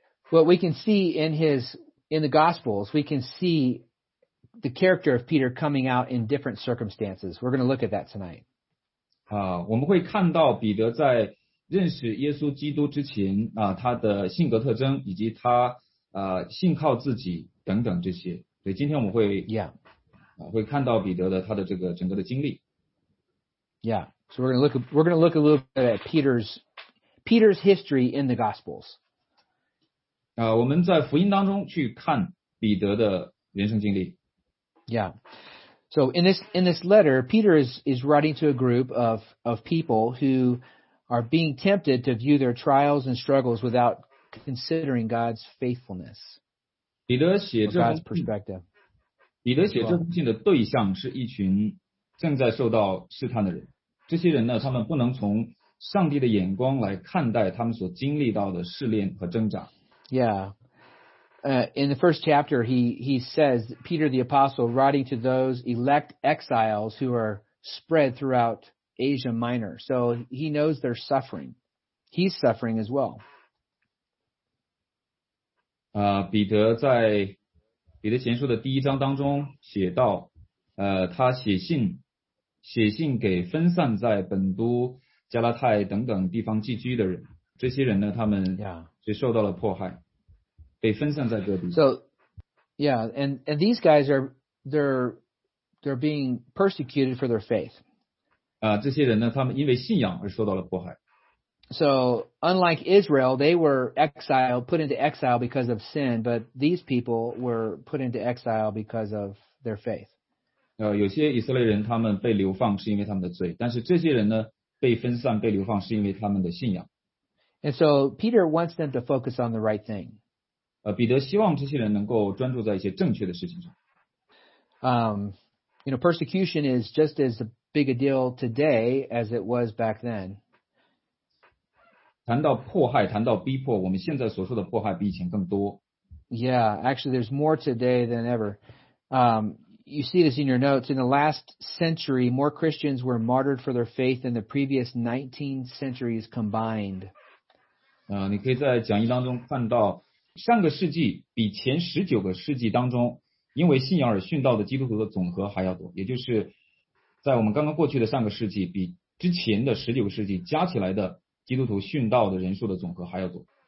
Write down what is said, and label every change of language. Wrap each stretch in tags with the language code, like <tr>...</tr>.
<en>what we can see in the Gospels, we can see the character of Peter coming out in different circumstances. We're going to look at that tonight.</en> <zh>我们会看到彼得在认识耶稣基督之前他的性格特征，以及他信靠自己等等这些。所以今天我们会 会看到彼得的他的这个整个的经历。</zh> <en>Yeah, so we're going to look a little bit at Peter's history in the Gospels.</en> <zh>我们在福音当中去看彼得的人生经历。</zh> <en>Yeah, so in this letter, Peter is writing to a group of people who are being tempted to view their trials and struggles without considering God's faithfulness.</en> <zh>彼得写这封</zh> <en>God's perspective.</en> <zh>彼得写这封信的对象是一群正在受到试探的人，这些人呢，他们不能从上帝的眼光来看待他们所经历到的试炼和挣扎。</zh> <en>Yeah, in the first chapter, he says Peter the apostle writing to those elect exiles who are spread throughout Asia Minor. So he knows they're suffering. He's suffering as well.</en> <zh>彼得在彼得前书的第一章当中写到，他写信给分散在本都、加拉太等等地方寄居的人，这些人呢，他们是受到了迫害， yeah. 被分散在各地。</zh> <en>So, yeah, and these guys are they're being persecuted for their faith.</en> <zh>这些人呢，他们因为信仰而受到了迫害。</zh> <en>So, unlike Israel, they were exiled, put into exile because of sin, but these people were put into exile because of their faith.</en> <zh>有些以色列人他们被流放是因为他们的罪，但是这些人呢，被分散被流放是因为他们的信仰。</zh> <en>And so Peter wants them to focus on the right thing.</en> <zh>彼得希望这些人能够专注在一些正确的事情上。</zh> <en>You know, persecution is just as big a deal today as it was back then.</en> <zh>谈到迫害，谈到逼迫，我们现在所受的迫害比以前更多。</zh> <en>Yeah, actually, there's more today than ever. You see this in your notes. In the last century, more Christians were martyred for their faith than the previous 19 centuries combined.</en> <zh>你可以在讲义当中看到，上个世纪比前19个世纪当中，因为信仰而殉道的基督徒的总和还要多，也就是在我们刚刚过去的上个世纪，比之前的19个世纪加起来的基督徒殉道的人数的总和还要多。</zh>